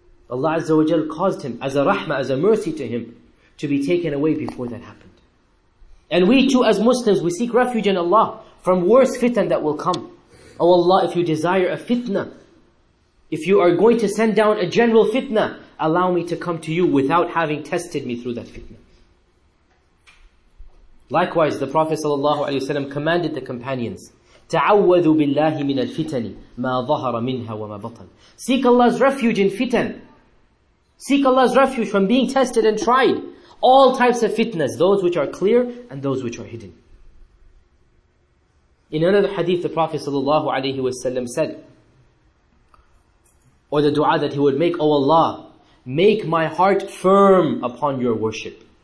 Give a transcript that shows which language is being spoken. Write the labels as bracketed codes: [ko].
[en] Allah Azza wa Jal caused him as a rahmah, as a mercy to him, to be taken away before that happened. And we too as Muslims, we seek refuge in Allah from worse fitna that will come. Oh Allah, if you desire a fitna, if you are going to send down a general fitna, allow me to come to you without having tested me through that fitna. Likewise, the Prophet ﷺ commanded the companions, [ar] تَعَوَّذُوا بِاللَّهِ مِنَ الْفِتَنِ مَا ظَهَرَ مِنْهَا وَمَا بَطَنِ. [en] Seek Allah's refuge in fitan. Seek Allah's refuge from being tested and tried. All types of fitnas, those which are clear and those which are hidden. In another hadith, the Prophet ﷺ said, or the dua that he would make, O Allah, make my heart firm upon your worship.